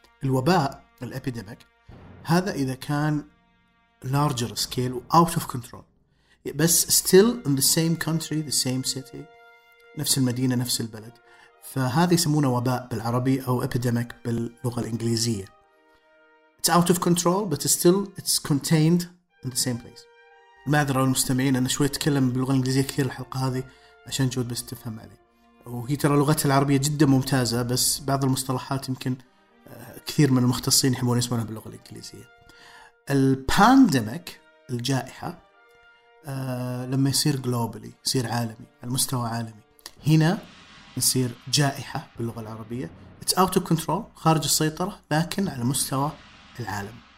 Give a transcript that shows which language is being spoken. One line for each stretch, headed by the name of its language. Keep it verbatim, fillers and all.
Arabic: الوباء الابيديميك هذا إذا كان
English: larger scale
Arabic: و
English: out of control،
Arabic: بس
English: still in the same country the same city،
Arabic: نفس المدينة نفس البلد، فهذا يسمونه وباء بالعربي أو epidemic باللغة الإنجليزية.
English: It's out of control but still it's contained in the same place.
Arabic: المعذرة للمستمعين أنا شوي أتكلم باللغة الإنجليزية كثير الحلقة هذه عشان جود بس تفهم علي، وهي ترى لغتها العربية جدا ممتازة، بس بعض المصطلحات يمكن كثير من المختصين يحبون يسمونها باللغة الإنجليزية. البانديميك الجائحة لما يصير globally يصير عالمي على مستوى عالمي، هنا نصير جائحة باللغة العربية
English: it's out of control
Arabic: خارج السيطرة لكن على مستوى العالم.